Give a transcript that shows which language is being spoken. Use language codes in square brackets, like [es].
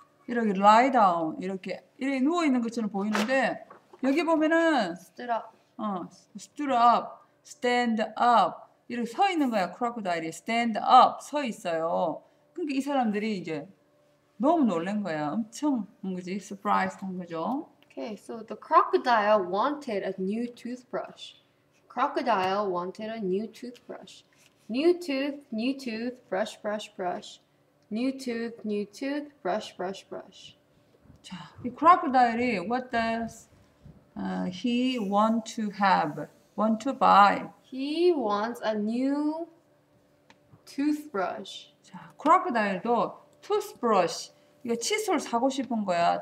[ko] 이렇게 [en] lie down [ko] 이렇게 이렇게 누워 있는 것처럼 보이는데 여기 보면은 [en] stood up, stand up. [ko] 이렇게 서 있는 거야, 크로커다일이. [en] Stand up, [ko] 서 있어요. 그러니까 이 사람들이 이제 너무 놀란 거야. 엄청, 뭔지, surprised 한 거죠. [en] Okay, so the crocodile wanted a new toothbrush. Crocodile wanted a new toothbrush. New tooth, brush, brush, brush. New tooth, brush, brush, brush. [ko] 자, 이 크로커다일이 [en] what does he want to have, want to buy? He wants a new toothbrush. [ko] 자, 크로커다일도 toothbrush. 이거 칫솔 사고 싶은 거야.